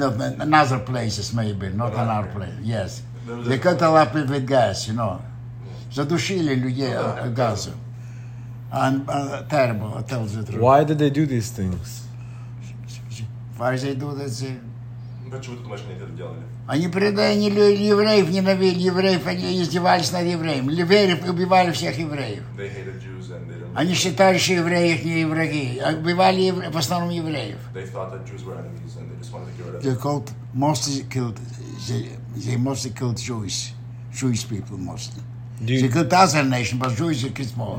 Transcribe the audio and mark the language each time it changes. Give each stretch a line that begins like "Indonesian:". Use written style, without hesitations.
English: They had compartments where they gassed people. In other places maybe, not in our place. Yes. They cut a lot of people with gas, you know.
Russian: Задушили людей газом.
English: And terrible, I tell the truth. Why did they do these things? Why did they do this?
Russian: Почему ты думаешь, что они это делали? Они предали евреев, ненавидели евреев, они издевались над евреями. Евреев убивали всех евреев.
English: They hated Jews and they didn't...
Russian: Они считали, что евреи их не враги. Убивали евреев, в основном евреев.
English: They thought that Jews were enemies and they just wanted to get rid of them. They mostly killed Jewish people. They killed other nations, but Jews they killed more.